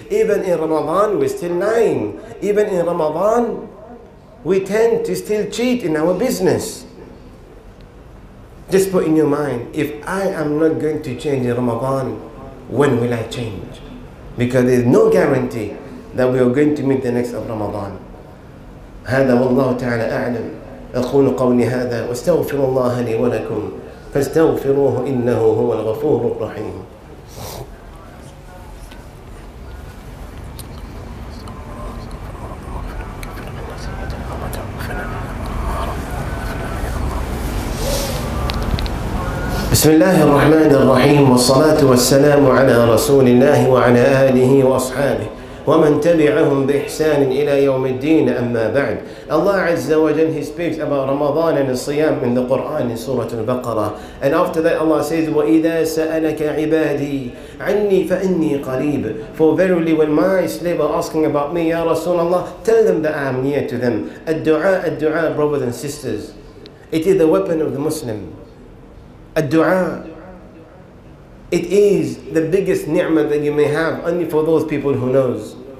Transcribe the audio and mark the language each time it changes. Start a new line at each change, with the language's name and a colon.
English: Even in Ramadan, we're still lying. Even in Ramadan, we tend to still cheat in our business. Just put in your mind, if I am not going to change in Ramadan, when will I change? Because there's no guarantee that we are going to meet the next of Ramadan.
Arabic: هذا والله تعالى أعلم أقول قولي هذا واستغفر الله لي ولكم فاستغفروه إنه هو الغفور الرحيم. بسم الله الرحمن الرحيم والصلاة والسلام على رسول الله وعلى آله وأصحابه ومن تبعهم بإحسان إلى يوم الدين أما بعد. الله عز وجل,
English: he speaks about Ramadan and الصيام in the Quran in Surah Al-Baqarah. And after that Allah says,
Arabic: وَإِذَا سَأَلَكَ عِبَادِي عَنِّي فَإِنِّي قَرِيبٌ.
English: For verily when my slave are asking about me, Ya Rasulullah, tell them that I am near to them. الدعاء, brothers and sisters. It is the weapon of the Muslim.
Arabic: الدعاء.
English: It is the biggest ni'mah that you may have, only for those people who knows.